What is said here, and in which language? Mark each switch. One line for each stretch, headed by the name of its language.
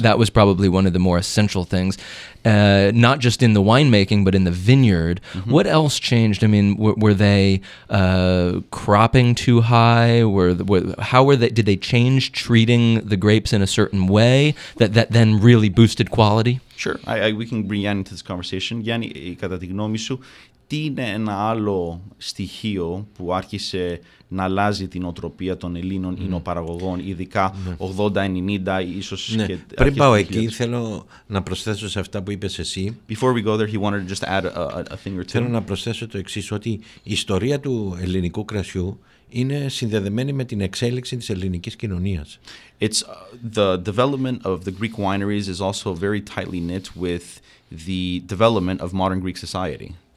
English: That was probably one of the more essential things. Not just in the winemaking, but in the vineyard. Mm-hmm. What else changed? I mean, were they cropping too high? Did they change treating the grapes in a certain way that then really boosted quality? Sure. I we can bring Yanni into this conversation.
Greek: Yanni, kata tη γνώμη σου, τι είναι ένα άλλο στοιχείο που άρχισε να αλλάζει την οτροπία των Ελλήνων ινοπαραγωγών, ειδικά 80-90, ίσως ναι. Και πριν πάω εκεί, θέλω να προσθέσω σε αυτά που είπες εσύ.
English: Before we go there, he wanted to just add a thing or two.
Greek: Θέλω να προσθέσω το εξής, ότι η ιστορία του ελληνικού κρασιού είναι συνδεδεμένη με την εξέλιξη της ελληνικής κοινωνίας.
English: It's the development of the Greek wineries is also very tightly knit with the development of modern Greek society.